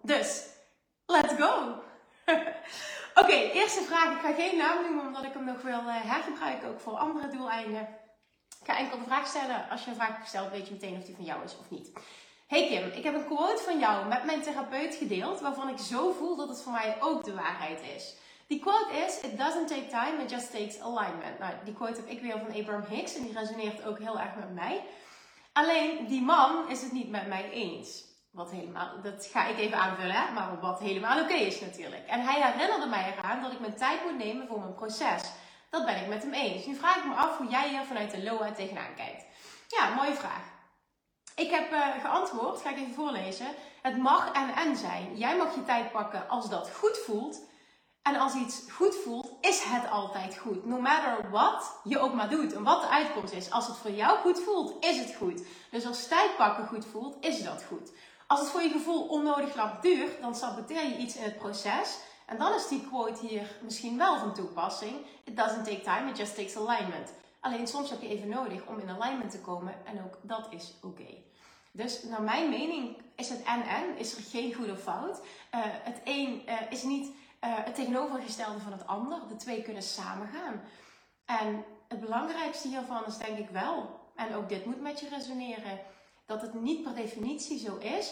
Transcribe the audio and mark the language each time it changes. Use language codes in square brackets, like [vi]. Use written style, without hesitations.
[nl] Dus, [en] let's go! [nl] Oké, eerste vraag. Ik ga geen naam noemen omdat ik hem nog wil hergebruiken, ook voor andere doeleinden. Ik ga enkel de vraag stellen. Als je een vraag stelt, weet je meteen of die van jou is of niet. Hey Kim, ik heb een quote van jou met mijn therapeut gedeeld, waarvan ik zo voel dat het voor mij ook de waarheid is. Die quote is, [en] it doesn't take time, it just takes alignment. [nl] Nou, die quote heb ik weer van Abraham Hicks en die resoneert ook heel erg met mij. Alleen, die man is het niet met mij eens. Wat helemaal, dat ga ik even aanvullen, maar wat helemaal oké is natuurlijk. En hij herinnerde mij eraan dat ik mijn tijd moet nemen voor mijn proces. Dat ben ik met hem eens. Nu vraag ik me af hoe jij hier vanuit de Loa tegenaan kijkt. Ja, mooie vraag. Ik heb geantwoord, ga ik even voorlezen. Het mag en zijn. Jij mag je tijd pakken als dat goed voelt... en als iets goed voelt, is het altijd goed. [en] No matter what [nl] je ook maar doet en wat de uitkomst is. Als het voor jou goed voelt, is het goed. Dus als tijd pakken goed voelt, is dat goed. Als het voor je gevoel onnodig lang duurt, dan saboteer je iets in het proces. En dan is die quote hier misschien wel van toepassing. [en] It doesn't take time, it just takes alignment. [nl] Alleen soms heb je even nodig om in alignment te komen en ook dat is oké. Okay. Dus naar mijn mening is het en-en, is er geen goed of fout. Het één is niet... het tegenovergestelde van het ander. De twee kunnen samengaan. En het belangrijkste hiervan is denk ik wel, en ook dit moet met je resoneren, dat het niet per definitie zo is.